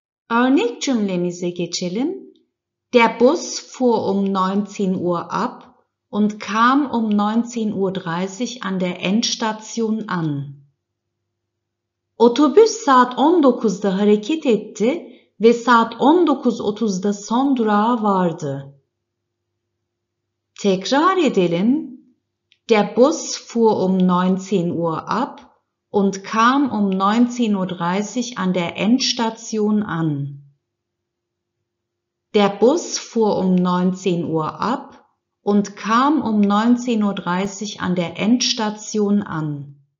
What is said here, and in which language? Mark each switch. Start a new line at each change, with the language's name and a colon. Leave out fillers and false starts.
Turkish: Örnek cümlemize geçelim.
German: Der Bus fuhr um 19 Uhr ab und kam um 19.30 Uhr an der Endstation an.
Turkish: Otobüs saat 19'da hareket etti ve saat 19.30'da son durağa vardı. Tekrar edelim.
German: Der Bus fuhr um 19 Uhr ab und kam um 19.30 Uhr an der Endstation an. Der Bus fuhr um 19 Uhr ab und kam um 19.30 Uhr an der Endstation an.